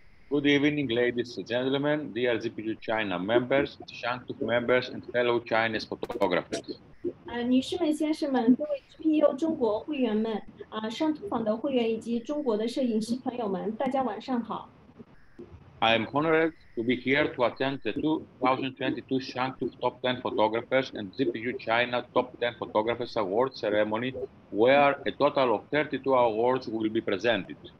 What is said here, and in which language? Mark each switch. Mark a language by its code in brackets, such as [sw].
[en] Good evening, ladies and gentlemen, dear GPU China members, Shangtuf members, and fellow Chinese photographers. [zh] 女士们、先生们，各位GPU中国会员们， 上图坊的会员以及中国的摄影师朋友们，大家晚上好。 [en] I am honored to be here to attend the 2022 Shangtuf Top 10 Photographers and GPU China Top 10 Photographers Awards ceremony, where a total of 32 awards will be presented.